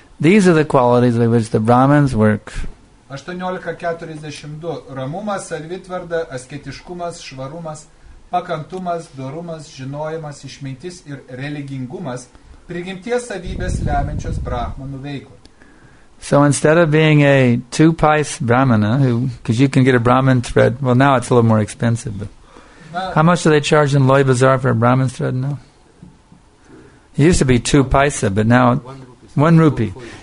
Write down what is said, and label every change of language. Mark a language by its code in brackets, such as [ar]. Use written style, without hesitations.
[en] These are the qualities by which the Brahmins work. 18.42. [lt] Ramumas, savitvarda, asketiškumas, švarumas, pakantumas, dorumas, žinojimas, išmintis ir religingumas prigimties savybės lemiančios brahmanų veiklą. [en] So instead of being a two-pice brahmana, because you can get a brahmin thread, well now it's a little more expensive, but how much do they charge in Loy Bazaar for a brahmin thread now? It used to be two paisa, but now one rupee.